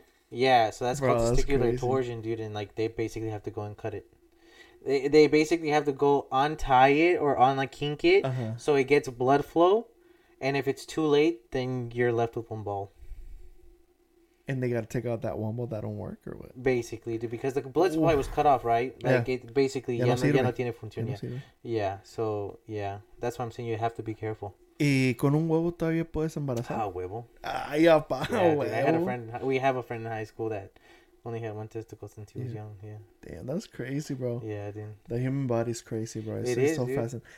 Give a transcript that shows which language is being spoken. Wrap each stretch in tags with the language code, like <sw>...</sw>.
<en>Yeah, so that's called testicular torsion, dude, and, like, they basically have to go and cut it. They basically have to go untie it or unkink it, uh-huh. So it gets blood flow, and if it's too late, then you're left with one ball. And they got to take out that one ball that don't work, or what? Basically, dude, because the blood supply was cut off, right? Like, yeah. It basically,</en> <es>ya no tiene función.</es> <en>Yeah, so, yeah, that's why I'm saying you have to be careful.</en> <es>¿Y con un huevo todavía puedes embarazar? Ah, huevo. Ay, apa, yeah, huevo.</es> <en>I had a friend. We have a friend in high school that only had one testicle since he was young. Yeah. Damn, that's crazy, bro. Yeah, dude. The human body's crazy, bro. It's so fascinating.</en>